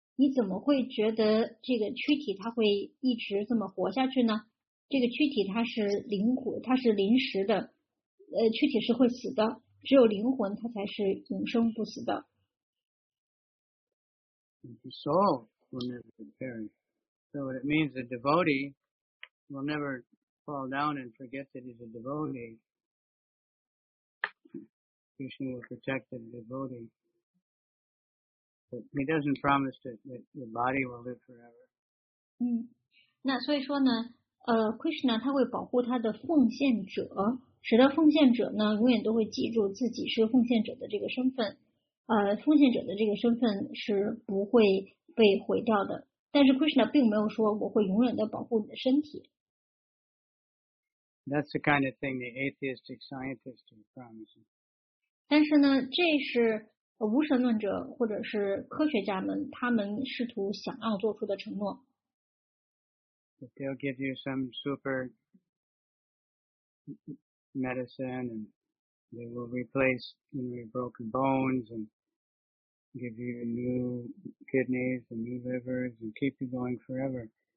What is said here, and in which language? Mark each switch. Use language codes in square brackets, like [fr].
[zh] 你怎么会觉得这个躯体它会一直这么活下去呢？这个躯体它是灵魂，它是临时的，躯体是会死的，只有灵魂它才是永生不死的。 [en] The soul will never perish. So what it means, a devotee will never fall down and forget that he's a devotee. Krishna will protect the devotee. But he doesn't promise that the body will live forever. [zh] 那所以说呢，Krishna 他会保护他的奉献者，使得奉献者呢永远都会记住自己是奉献者的这个身份，奉献者的这个身份是不会被毁掉的。但是 Krishna 并没有说我会永远的保护你的身体。 [en] That's the kind of thing the atheistic scientist is promising. [zh] 但是呢，这是无神论者或者是科学家们他们试图想要做出的承诺。 [en] But they'll give you some super medicine, and they will replace your broken bones and give you new kidneys and new livers and keep you going forever.